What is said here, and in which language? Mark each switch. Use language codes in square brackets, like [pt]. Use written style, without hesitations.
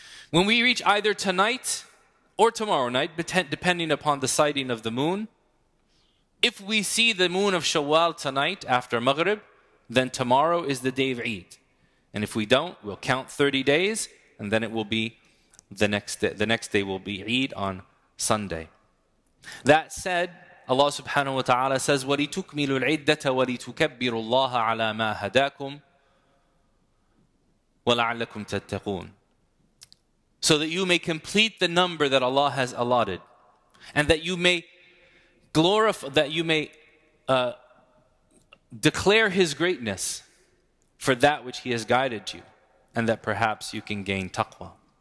[en] When we reach either tonight or tomorrow night, depending upon the sighting of the moon, if we see the moon of Shawwal tonight after Maghrib, then tomorrow is the day of Eid. And if we don't, we'll count 30 days, and then it will be the next day. The next day will be Eid on Sunday. That said, [ar] Allah subhanahu wa ta'ala says, وَلِتُكْمِلُوا الْعِدَّةَ وَلِتُكَبِّرُوا اللَّهَ عَلَى مَا هَدَاكُمْ وَلَعَلَّكُمْ تَتَّقُونَ. [en] So that you may complete the number that Allah has allotted, and that you may glorify, that you may declare His greatness for that which he has guided you, and that perhaps you can gain taqwa.